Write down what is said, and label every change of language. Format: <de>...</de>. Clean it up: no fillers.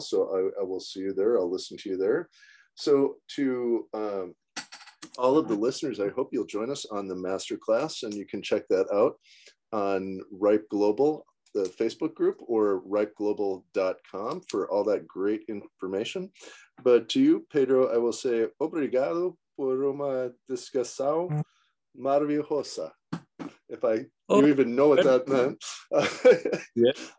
<en>So I will see you there. I'll listen to you there. So to all of the listeners, I hope you'll join us on the masterclass, and you can check that out on Ripe Global, the Facebook group, or ripeglobal.com for all that great information. But to you, Pedro, I will say</en> <pt>obrigado por uma discussão maravilhosa.</pt> <en>If I you even know what that meant. Yeah.</en>